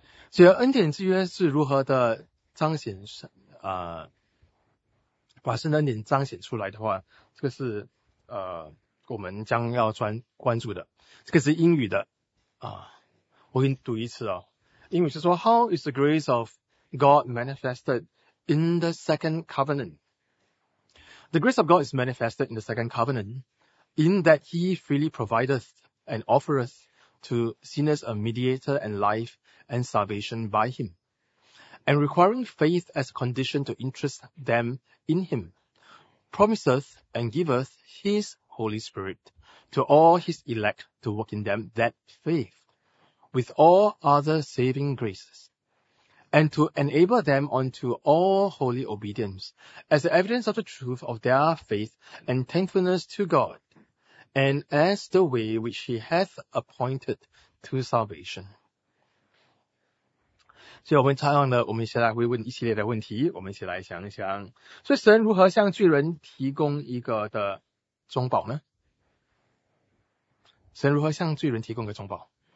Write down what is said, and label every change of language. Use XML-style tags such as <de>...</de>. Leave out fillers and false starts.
<zh>所以恩典之约是如何的彰显把神的恩典彰显出来的话，这个是我们将要关注的。这个是英语的啊，我给你读一次哦。英语是说</zh> <en>How is the grace of God manifested in the second covenant? The grace of God is manifested in the second covenant in that he freely provideth and offereth to sinners a mediator and life and salvation by him, and requiring faith as a condition to interest them in him, promiseth and giveth his Holy Spirit to all his elect to work in them that faith, with all other saving graces, and to enable them unto all holy obedience, as the evidence of the truth of their faith and thankfulness to God, and as the way which he hath appointed to salvation.</en> <zh>所以我们采访呢，我们现在会问一系列的问题，我们一起来想一想。所以神如何向罪人提供一个的中保呢？神如何向罪人提供一个中保？</zh>